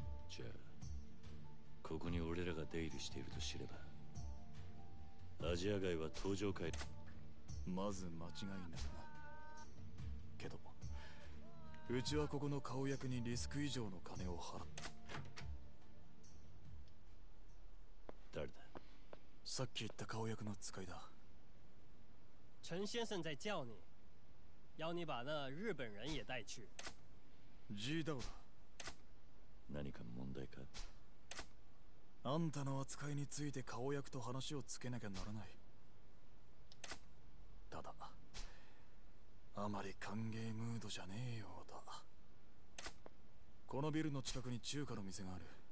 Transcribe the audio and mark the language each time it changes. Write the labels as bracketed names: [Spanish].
[Japanese] じゃあここに俺らが出入りしていると知ればアジア街は登場会。まず間違いなくな。けどうちはここの顔役にリスク以上の金を払った。誰だ？さっき言った顔役の使いだ。 [Chinese] 陈先生在叫你，要你把那日本人也带去。 [Japanese] 知道だ。何か問題か？あんたの扱いについて顔役と話をつけなきゃならない。ただ、あまり歓迎ムードじゃねえよ。このビルの近くに中華の店がある。